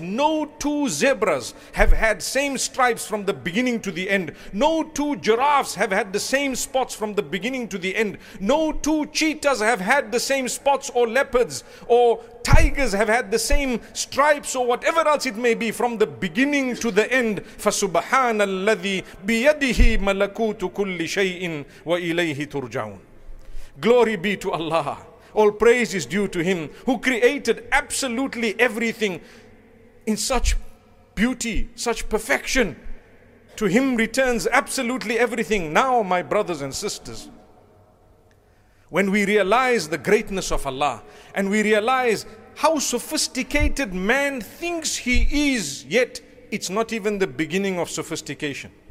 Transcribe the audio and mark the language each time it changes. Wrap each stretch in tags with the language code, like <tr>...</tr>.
<en>No two zebras have had same stripes from the beginning to the end. No two giraffes have had the same spots from the beginning to the end. No two cheetahs have had the same spots, or leopards or tigers have had the same stripes or whatever else it may be from the beginning to the end.</en> <ar>فَسُبْحَانَ الَّذِي بِيَدِهِ مَلَكُوتُ كُلِّ شَيْءٍ وَإِلَيْهِ تُرْجَعُونَ</ar> <en>Glory be to Allah. All praise is due to Him who created absolutely everything in such beauty, such perfection. To Him returns absolutely everything. Now, my brothers and sisters, when we realize the greatness of Allah and we realize how sophisticated man thinks he is, yet it's not even the beginning of sophistication.</en>